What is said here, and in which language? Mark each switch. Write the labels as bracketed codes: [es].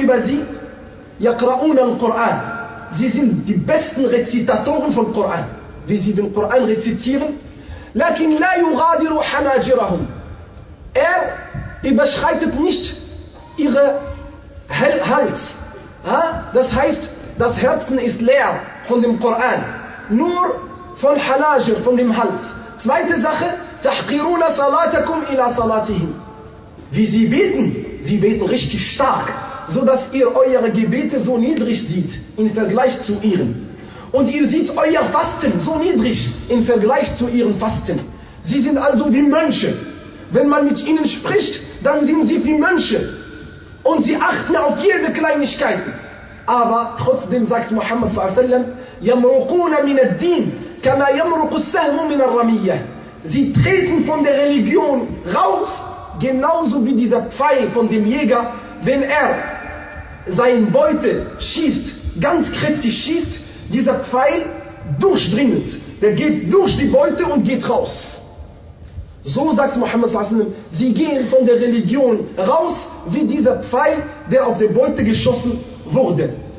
[de] über sie, [ar] Yaqra'un al-Quran. [de] Sie sind die besten Rezitatoren von Quran, wie sie den Quran rezitieren. [ar] Lakin la yugadiru hanajirahum. [de] Er überschreitet nicht ihre Hals, Das heißt, das Herzen ist leer von dem Koran. Nur von Halajir, von dem Hals. Zweite Sache, [ar] تحقرون صلاتكم إلى صلاتهم. [de] Wie sie beten, sie beten richtig stark, sodass ihr eure Gebete so niedrig seht im Vergleich zu ihren. Und ihr seht euer Fasten so niedrig im Vergleich zu ihren Fasten. Sie sind also wie Mönche. Wenn man mit ihnen spricht, dann sind sie wie Mönche. Und sie achten auf jede Kleinigkeit. Aber trotzdem sagt [ar] Muhammad sallallahu alaihi wasallam, يمرقون من الدين كما يمرق السهم من الرمية. [de] Sie treten von der Religion raus, genauso wie dieser Pfeil von dem Jäger, wenn er seinen Beute schießt, ganz kräftig schießt, dieser Pfeil durchdringend. Der geht durch die Beute und geht raus. So sagt Muhammad sallallahu alaihi wasallam, sie gehen von der Religion raus, wie dieser Pfeil, der auf der Beute geschossen wurde.